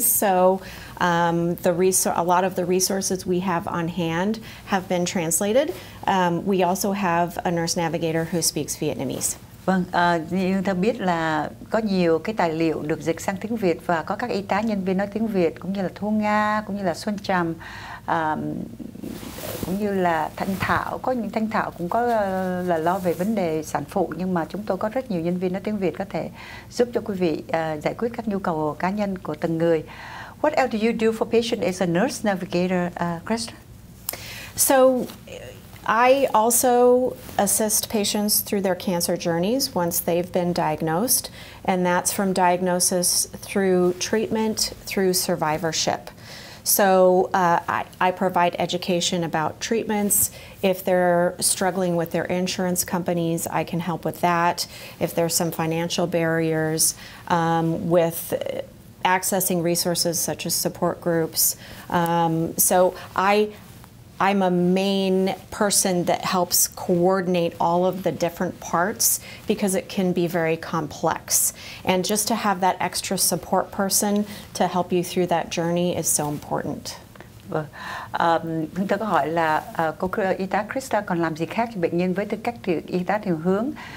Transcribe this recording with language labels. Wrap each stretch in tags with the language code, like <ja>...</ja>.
<en>So a lot of the resources we have on hand have been translated. We also have a nurse navigator who speaks Vietnamese.</en> <vi>Vâng, như ta biết là có nhiều cái tài liệu được dịch sang tiếng Việt, và có các y tá nhân viên nói tiếng Việt, cũng như là Thu Nga, cũng như là Xuân Trầm, cũng như là Thanh Thảo. Có những Thanh Thảo cũng có là lo về vấn đề sản phụ, nhưng mà chúng tôi có rất nhiều nhân viên nói tiếng Việt có thể giúp cho quý vị giải quyết các nhu cầu cá nhân của từng người.</vi> <en>What else do you do for patient as a nurse navigator, Krista? So I also assist patients through their cancer journeys once they've been diagnosed, and that's from diagnosis through treatment through survivorship. So I provide education about treatments. If they're struggling with their insurance companies, I can help with that. If there's some financial barriers with accessing resources such as support groups. So I'm a main person that helps coordinate all of the different parts because it can be very complex. And just to have that extra support person to help you through that journey is so important.</en> <vi>Vâng. Tôi có hỏi là cô y tá Krista còn làm gì khác cho bệnh nhân với tư cách y tá điều hướng?</vi>